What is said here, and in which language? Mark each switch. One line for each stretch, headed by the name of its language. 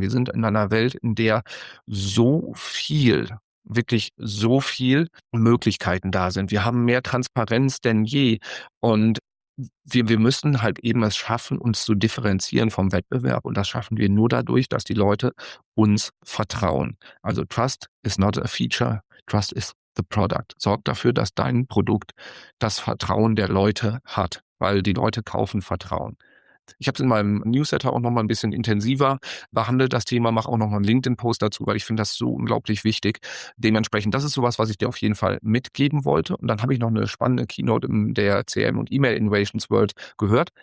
German: Wir sind in einer Welt, in der so viel, wirklich so viel Möglichkeiten da sind. Wir haben mehr Transparenz denn je und wir müssen halt eben es schaffen, uns zu differenzieren vom Wettbewerb und das schaffen wir nur dadurch, dass die Leute uns vertrauen.
English: Also Trust is not a feature, Trust is the product.
German: Sorg dafür, dass dein Produkt das Vertrauen der Leute hat, weil die Leute kaufen Vertrauen. Ich habe es in meinem Newsletter auch nochmal ein bisschen intensiver behandelt, das Thema, mache auch nochmal einen LinkedIn-Post dazu, weil ich finde das so unglaublich wichtig. Dementsprechend, das ist sowas, was ich dir auf jeden Fall mitgeben wollte. Und dann habe ich noch eine spannende Keynote in der CRM und E-Mail Innovations World gehört.